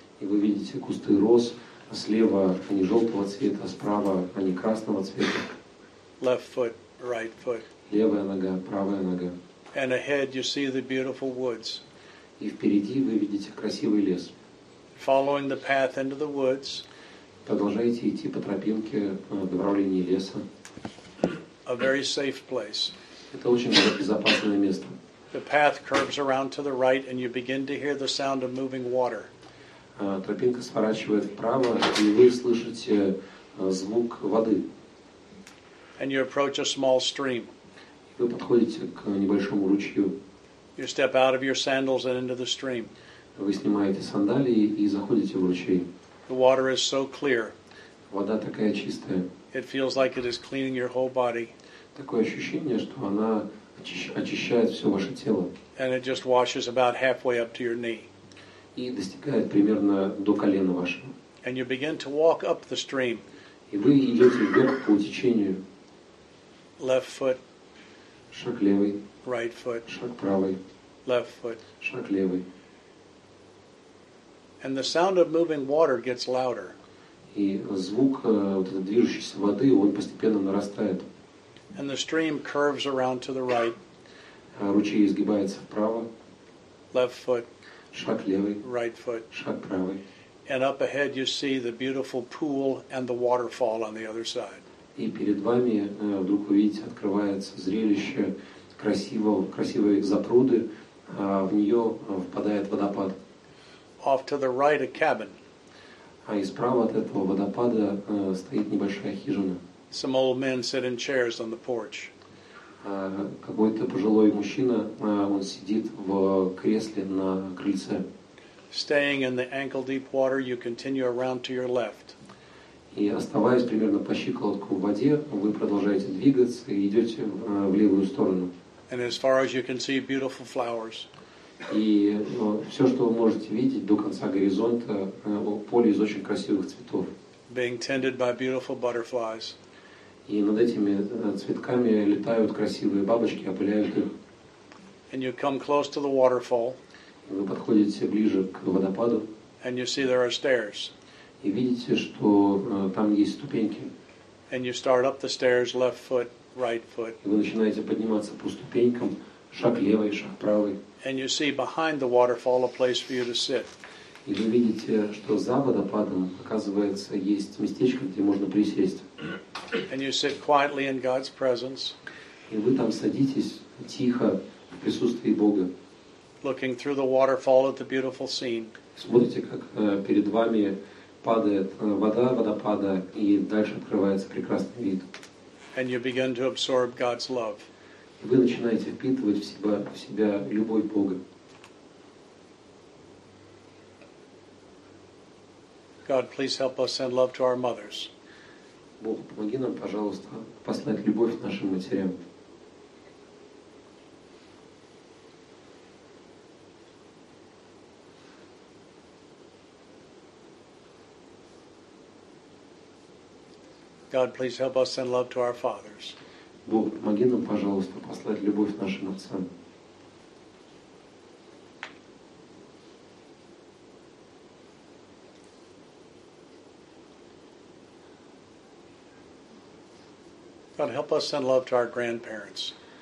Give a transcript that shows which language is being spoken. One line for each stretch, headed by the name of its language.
Russian: И вы видите кусты роз, слева они желтого цвета, справа они красного цвета.
English: Left foot, right foot.
Russian: Левая нога, правая нога.
English: And ahead you see the beautiful woods.
Russian: И впереди вы видите красивый лес.
English: Following the path into the woods.
Russian: Продолжаете идти по тропинке в направлении леса.
English: A very safe place.
Russian: Это очень безопасное место.
English: The path curves around to the right and you begin to hear the sound of moving water.
Russian: Тропинка сворачивает вправо, и вы слышите звук воды.
English: And you approach a small stream.
Russian: Вы подходите к небольшому ручью.
English: You step out of your sandals and into the stream.
Russian: Вы снимаете сандалии и заходите в ручей.
English: The water is so clear.
Russian: Вода такая чистая.
English: It feels like it is cleaning your whole body.
Russian: Такое ощущение, что она очищает все ваше тело.
English: And it just washes about halfway up to your knee.
Russian: И достигает примерно до колена вашего.
English: And you begin to walk up the stream.
Russian: И вы идете вверх по течению.
English: Left foot.
Russian: Шаг левый.
English: Right foot.
Russian: Шаг правый.
English: Left foot.
Russian: Шаг левый.
English: And the sound of moving water gets louder.
Russian: И звук вот этой движущейся воды, он постепенно нарастает.
English: And the stream curves around to the right.
Russian: Ручей изгибается вправо.
English: Left foot.
Russian: Шаг левый.
English: Right foot.
Russian: Шаг правый.
English: And up ahead you see the beautiful pool and the waterfall on the other side.
Russian: И перед вами вдруг вы видите, открывается зрелище красивой запруды, а в нее впадает водопад.
English: Off to the right, a cabin.
Russian: А и справа от этого водопада стоит небольшая хижина.
English: Some old men sit in chairs on the porch.
Russian: Какой-то пожилой мужчина, он сидит в кресле на крыльце.
English: Staying in the ankle-deep water, you continue around to your left.
Russian: И оставаясь примерно по щиколотку в воде, вы продолжаете двигаться и идете в левую сторону.
English: And as far as you can see, beautiful flowers.
Russian: И все, что вы можете видеть до конца горизонта, поле из очень красивых цветов.
English: Being tended by beautiful butterflies.
Russian: И над этими цветками летают красивые бабочки, опыляют их.
English: And you come close to the waterfall.
Russian: И вы подходите ближе к водопаду.
English: And you see there are stairs.
Russian: И видите, что там есть ступеньки.
English: And you start up the stairs, left foot, right foot.
Russian: И вы начинаете подниматься по ступенькам, шаг левый, шаг правый.
English: And you see behind the waterfall a place for you to sit.
Russian: И вы видите, что за водопадом, оказывается, есть местечко, где можно присесть.
English: And you sit quietly in God's presence.
Russian: И вы там садитесь тихо в присутствии Бога.
English: Looking through the waterfall at the beautiful scene.
Russian: Смотрите, как перед вами падает вода водопада, и дальше открывается прекрасный вид.
English: And you begin to absorb God's love.
Russian: И вы начинаете впитывать в себя любовь Бога.
English: God, please help us send love to our mothers.
Russian: Бог, помоги нам, пожалуйста, послать любовь нашим матерям.
English: God, please help us send love to our fathers.
Russian: Бог, помоги нам, пожалуйста, послать любовь нашим отцам.
English: God, help us send love to our grandparents.